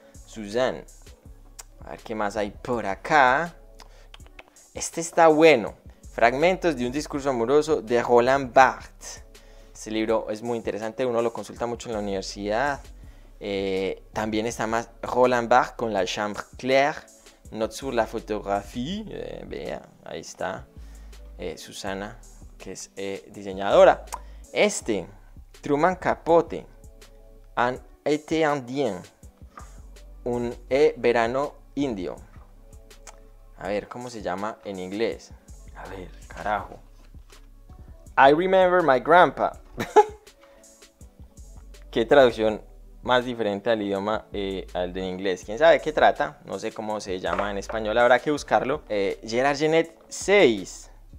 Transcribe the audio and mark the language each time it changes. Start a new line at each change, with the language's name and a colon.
Spanish: Susan. A ver qué más hay por acá. Este está bueno. Fragmentos de un discurso amoroso de Roland Barthes. Este libro es muy interesante, uno lo consulta mucho en la universidad. También está más Roland Barthes con La Chambre Claire.
French: Note sur la photographie.
Spanish: Vea, ahí está. Susana, que es diseñadora. Este, Truman Capote, Un été indien, un verano indio. A ver, ¿cómo se llama en inglés? A ver, carajo.
English: I remember my grandpa.
Spanish: Qué traducción más diferente al idioma, al de inglés. ¿Quién sabe qué trata? No sé cómo se llama en español, habrá que buscarlo. Gerard Genet, 6.